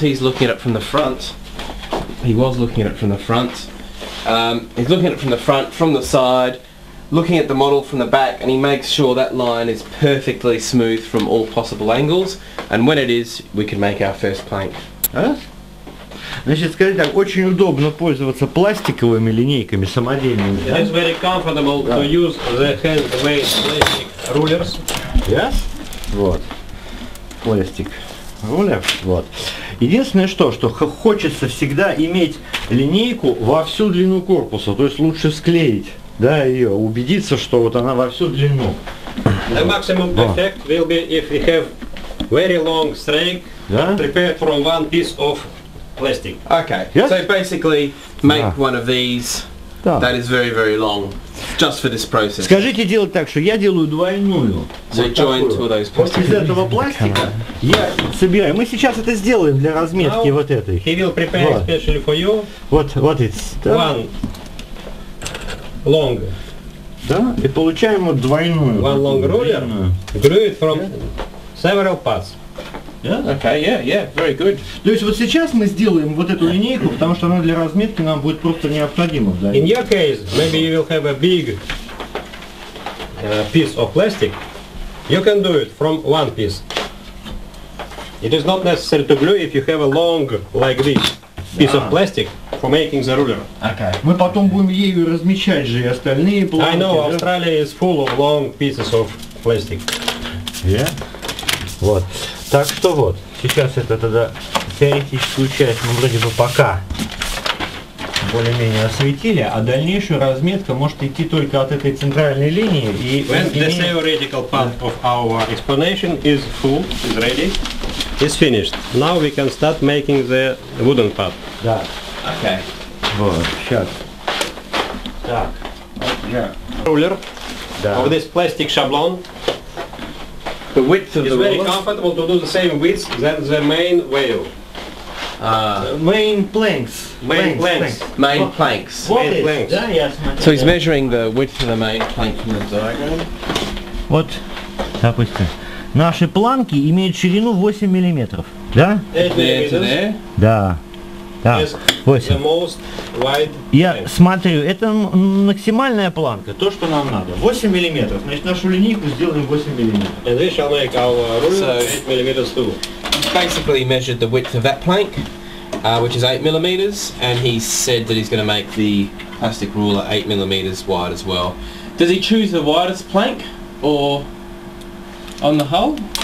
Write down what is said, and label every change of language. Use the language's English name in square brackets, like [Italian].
[English] He's looking at it from the front. He was looking at it from the front. He's looking at it from the front, from the side. Looking at the model from the back, and he makes sure that line is perfectly smooth from all possible angles, and when it is, we can make our first plank. [Russian] Значит, скажите так, очень удобно пользоваться пластиковыми линейками самодельными. [English] It is very comfortable to use the hand-made plastic rulers. [Russian] Yes? Вот. Пластик. Рулер. Вот. Единственное, что хочется всегда иметь линейку во всю длину корпуса, то есть лучше склеить. Да, ее убедиться, что вот она во всю длину. [English] The maximum effect will be if we have very long string prepared from one piece of plastic. Okay. Yes? So basically make one of these that is very, very long just for this process. [Russian] Скажите делать так, что я делаю двойную. [English] So вот join two of those pieces. [Russian] Из этого пластика я собираю. Мы сейчас это сделаем для разметки вот этой. [English] He will prepare especially for you. What it's one. Long. [Russian] Да, и получаем вот двойную. [English] One long ruler. Glued from several parts. Yeah, okay, yeah, very good. [Russian] То есть вот сейчас мы сделаем вот эту линейку, потому что она для разметки нам будет просто необходима. Да? [English] In your case, maybe you will have a big piece of plastic. You can do it from one piece. It is not necessary to glue if you have a long like this. Piece of plastic for making the ruler. Okay. [Russian] Мы потом будем ею размечать же и остальные планки. [English] I know, Australia is full of long pieces of plastic. Yeah. Вот. [Russian] Так что вот, сейчас это тогда теоретическую часть мы вроде бы пока более-менее осветили, а дальнейшую разметка может идти только от этой центральной линии и... [English] When the theoretical part of our explanation is full, is ready, it's finished. Now we can start making the wooden part. [Russian] Да. [English] Okay. [Russian] Вот, сейчас. [English] Так. Yeah. Ruler of this plastic шаблон. The width of the ruler. It's very comfortable to do the same width than the main wheel. Main planks. Main planks. Yeah, yes. So he's measuring the width of the main plank from the diagram. [Russian] Вот, допустим. Наши планки имеют ширину 8 миллиметров, да? Да. Да. 8. Я смотрю, это максимальная планка, то, что нам надо. 8 миллиметров. Значит, нашу линейку сделаем 8 миллиметров. [English] And we shall make our ruler 8 millimeters too. Basically measured the width of that plank, which is 8 millimeters, and he said that he's going to make the plastic ruler 8 millimeters wide as well. Does he choose the widest plank or on the whole?